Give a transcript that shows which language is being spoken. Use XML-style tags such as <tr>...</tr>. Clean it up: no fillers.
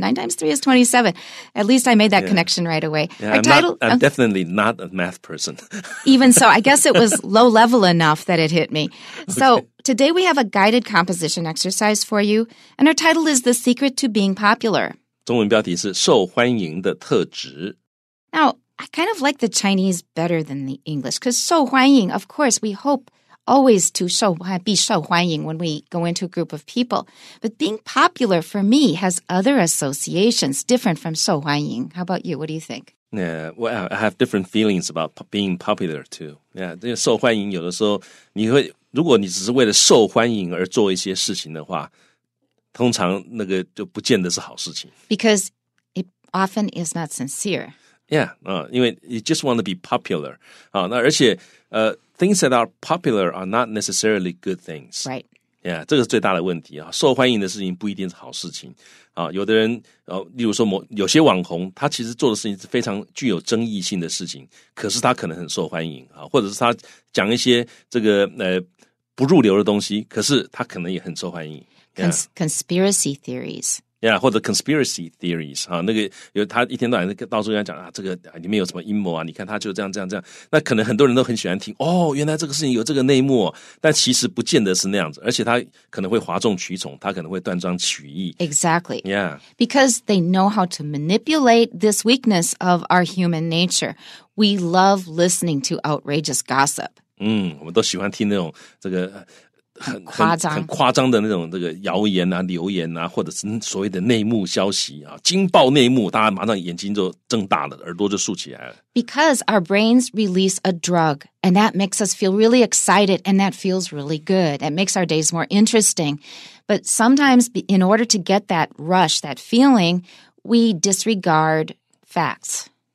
<en>9 times 3 is 27. At least I made that connection right away. Yeah, I'm definitely not a math person. Even so, I guess it was low level enough that it hit me. So today we have a guided composition exercise for you, and our title is The Secret to Being Popular.</en> <zh>中文标题是 受欢迎的特质.</zh> <en>Now, I kind of like the Chinese better than the English, because 受欢迎, of course, we hope always to be 受欢迎 when we go into a group of people. But being popular, for me, has other associations different from 受欢迎. How about you? What do you think? Yeah, well, I have different feelings about being popular, too.</en> <zh>Yeah, 受欢迎有的时候你会 如果你只是为了受欢迎而做一些事情的话，通常那个就不见得是好事情。 Because</zh> <en>it often is not sincere. Yeah, 因为 you just want to be popular. 那而且 things that are popular are not necessarily good things. Right.</en> <zh>Yeah, 这个是最大的问题啊。受欢迎的事情不一定是好事情啊。有的人，例如说有些网红，他其实做的事情是非常具有争议性的事情，可是他可能很受欢迎啊，或者是他讲一些这个。不入流的东西，可是它可能也很受欢迎。</zh> <en>Conspiracy theories. Yeah, 或者 conspiracy theories.</en> <zh>那个他一天到晚到处跟他讲，这个里面有什么阴谋啊，你看他就这样这样这样。那可能很多人都很喜欢听，哦，原来这个事情有这个内幕，但其实不见得是那样子，而且他可能会哗众取宠，他可能会断章取义。</zh> <en>Exactly. Yeah. Because they know how to manipulate this weakness of our human nature. We love listening to outrageous gossip.</en> <zh>我们都喜欢听那种很夸张的那种谣言啊、流言啊，或者是所谓的内幕消息啊，惊爆内幕，大家马上眼睛就睁大了，耳朵就竖起来了。 Because</zh> <en>our brains release a drug, and that makes us feel really excited, and that feels really good. It makes our days more interesting. But sometimes, in order to get that rush, that feeling, we disregard facts.</en>